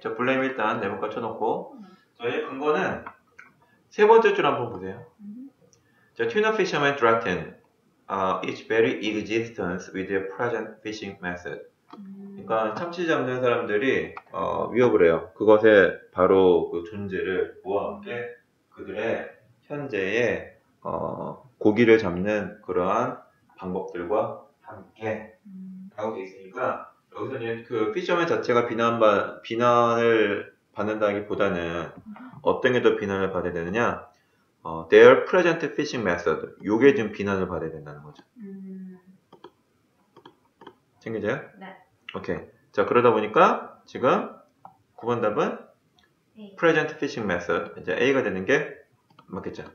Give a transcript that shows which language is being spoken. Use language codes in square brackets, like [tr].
[ko] 저 블레임 일단 네모가 쳐놓고 저희 근거는 세 번째 줄 한번 보세요. [en] 자, tuna fishermen threatened its very existence with their present fishing method. [ko] 그러니까 참치 잡는 사람들이 위협을 해요. 그것에 바로 그 존재를 모아 함께 그들의 현재의 고기를 잡는 그러한 방법들과 함께 하고 있으니까 여기서는 그 피셔맨 자체가 비난을 받는다기보다는 어떤 게 더 비난을 받아야 되느냐? [en] Their present fishing method. [ko] 요게 지금 비난을 받아야 된다는 거죠. 챙기세요? 네. 오케이. 자, 그러다 보니까 지금 9번 답은 present fishing method. 이제 A가 되는 게 맞겠죠?